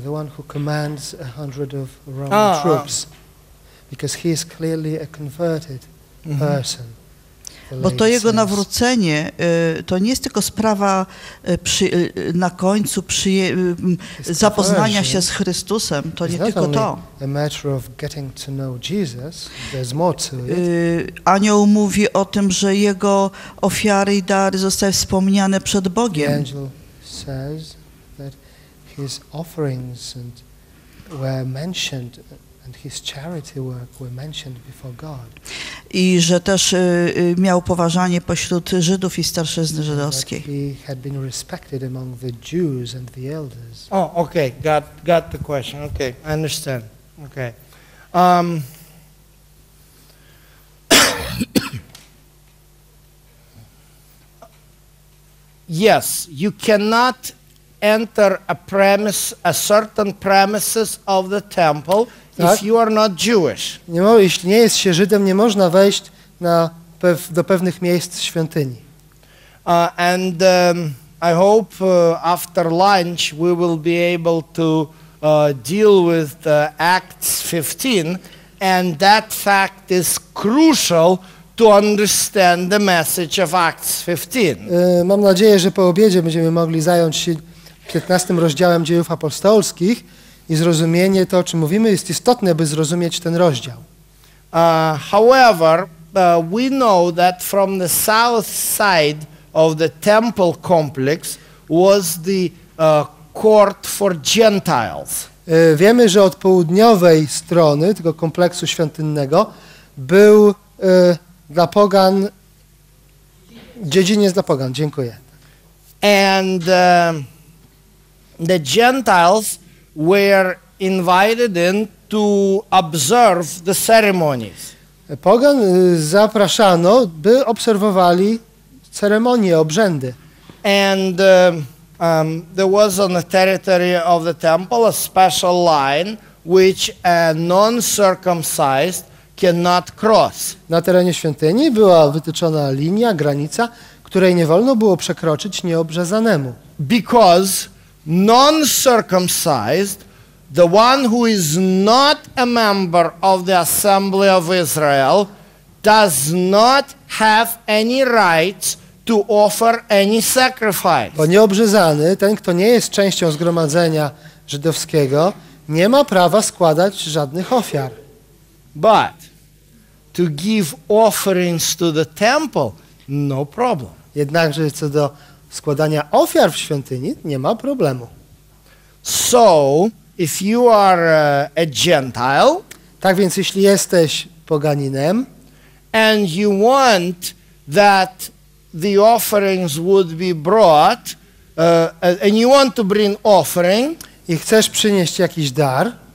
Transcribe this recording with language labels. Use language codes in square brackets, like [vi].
[en] The one who commands 100 of Roman troops. Because he is clearly a converted person. [pl] Bo to jego nawrócenie to nie jest tylko sprawa na końcu zapoznania się z Chrystusem, to nie tylko to. [en] A matter of getting to know Jesus, there's more to it. [pl] Anioł mówi o tym, że jego ofiary i dary zostały wspomniane przed Bogiem. [en] Angel says that his offerings and were mentioned and his charity work were mentioned before God. [pl] I że też miał poważanie pośród Żydów i starszyzny żydowskiej. [en] He had been respected among the Jews and the elders. Oh, okay, got the question. Okay, I understand. Okay. Yes, you cannot enter a certain premises of the temple [pl] Tak? [en] If you are not Jewish. [pl] Nie, jeśli nie jest się Żydem, nie można wejść na do pewnych miejsc świątyni. [en] And I hope after lunch we will be able to deal with the Acts 15, and that fact is crucial to understand the message of Acts 15. [pl] Mam nadzieję, że po obiedzie będziemy mogli zająć się 15 rozdziałem Dziejów Apostolskich i zrozumienie to, o czym mówimy, jest istotne, by zrozumieć ten rozdział. [en] However, we know that from the south side of the temple complex was the court for Gentiles. [pl] Wiemy, że od południowej strony tego kompleksu świątynnego był dla pogan dziedziniec dla pogan. Dziękuję. [en] And the Gentiles were invited in to observe the ceremonies. [pl] Pogan zapraszano, by obserwowali ceremonie, obrzędy. [en] And there was on the territory of the temple a special line which a non-circumcised cannot cross. [pl] Na terenie świątyni była wytyczona linia, granica, której nie wolno było przekroczyć nieobrzezanemu. [en] Because non-circumcised, the one who is not a member of the Assembly of Israel, does not have any rights to offer any sacrifice. [pl] Bo nieobrzezany, ten, kto nie jest częścią zgromadzenia żydowskiego, nie ma prawa składać żadnych ofiar. [en] But to give offerings to the temple, no problem. [pl] Jednakże co do składania ofiar w świątyni, nie ma problemu. [en] So, if you are a Gentile, [pl] tak więc jeśli jesteś poganinem, [en] and you want that the offerings would be brought, and you want to bring offering, [pl] i chcesz przynieść jakiś dar,